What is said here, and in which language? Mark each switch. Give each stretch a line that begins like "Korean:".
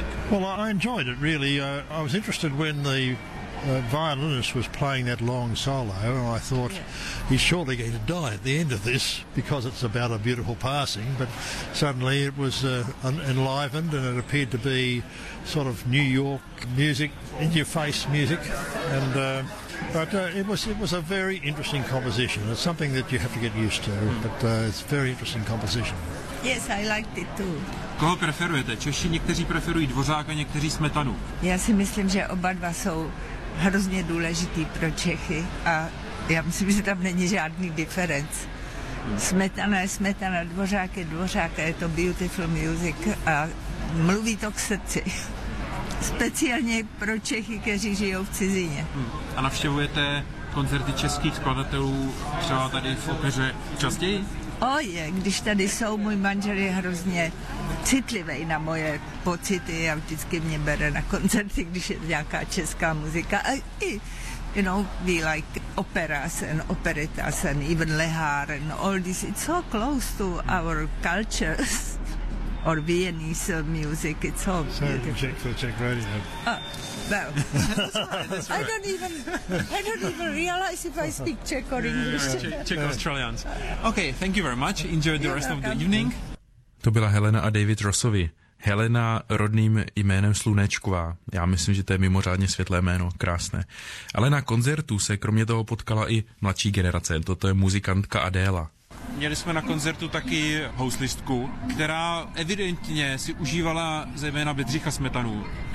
English: Well, I enjoyed it, really. I was interested when the violinist was playing that long solo, and I thought, he's surely going to die at the end of this, because it's about a beautiful passing, but suddenly it was enlivened, and it appeared to be sort of New York music, in-your-face music, and But it was a very interesting composition. It's something that you have to get used to, but it's a very interesting composition. Yes, I liked it too.
Czech: Koho preferujete? Češi někteří preferují Dvořáka, někteří Smetanu. Já si myslím, že oba dva jsou hrozně důležitý pro Čechy a já myslím, že tam není žádný diferenc. Smetana je Smetana, Dvořák je Dvořák a je to
English: beautiful music
Czech: a mluví to k srdci. Speciálně pro Čechy, kteří žijou v cizině. A navštěvujete koncerty českých skladatelů třeba tady v opeře častěji? Oje, když tady jsou, můj manžel je hrozně citlivý na moje pocity a vždycky mě bere na koncerty, když je nějaká česká muzika. A i,
English: you know, we like operas and operettas and even Lehár and all this. It's so close to our cultures. Or Viennese music, it's all so beautiful. So, Czech radio. Well, I don't even realize if I speak Czech or English. Czech Australians. Okay, thank you very much. Enjoy the rest of the evening.
Czech: To byla Helena a David Rossovi. Helena rodným jménem Slunečková. Já myslím, že to je mimořádně světlé jméno, krásné. Ale na koncertu se kromě toho potkala i mladší generace. Toto je muzikantka Adéla. Měli jsme na koncertu taky houslistku, která evidentně si užívala zejména Bedřicha Smetanu.